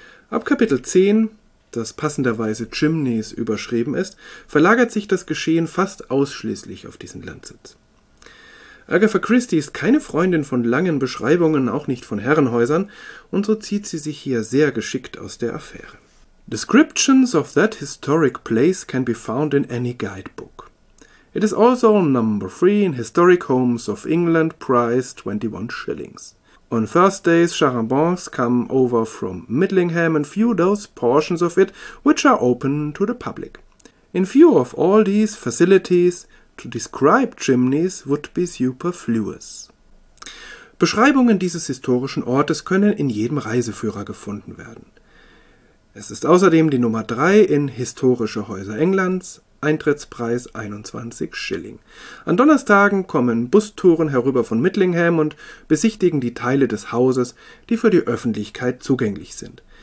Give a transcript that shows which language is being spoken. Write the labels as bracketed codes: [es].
[de] Ab Kapitel 10, das passenderweise Chimneys überschrieben ist, verlagert sich das Geschehen fast ausschließlich auf diesen Landsitz. Agatha Christie ist keine Freundin von langen Beschreibungen, auch nicht von Herrenhäusern, und so zieht sie sich hier sehr geschickt aus der Affäre. [en] Descriptions of that historic place can be found in any guidebook. It is also number 3 in Historic Homes of England, price 21 shillings. On Thursdays, charabancs come over from Midlingham and view those portions of it which are open to the public. In view of all these facilities, to describe chimneys would be superfluous. [de] Beschreibungen dieses historischen Ortes können in jedem Reiseführer gefunden werden. Es ist außerdem die Nummer 3 in Historische Häuser Englands, Eintrittspreis 21 Schilling. An Donnerstagen kommen Bustouren herüber von Midlingham und besichtigen die Teile des Hauses, die für die Öffentlichkeit zugänglich sind.